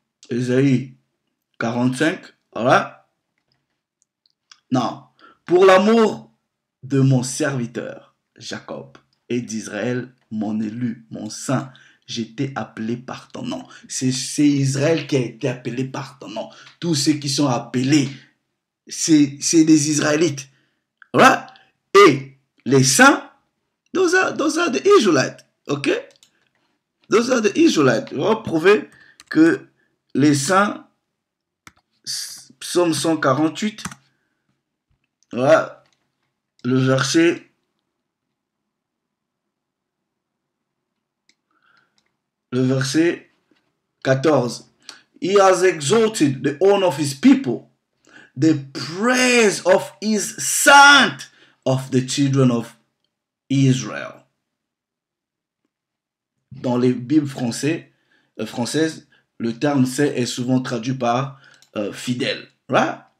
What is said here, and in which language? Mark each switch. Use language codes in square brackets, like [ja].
[fr] Esaïe 45, voilà. Non, pour l'amour de mon serviteur, Jacob, et d'Israël, mon élu, mon saint, j'étais appelé par ton nom. C'est Israël qui a été appelé par ton nom. Tous ceux qui sont appelés, c'est des Israélites. Voilà. [en] Et les saints, those are the Israelites. Ok? Those are the Israelites. [fr] On va prouver que les saints, psaume 148, voilà, le verset 14. [en] He has exalted the honor of his people, the praise of his saint, of the children of Israel. [fr] Dans les Bibles françaises, le terme saint est souvent traduit par fidèle. Right?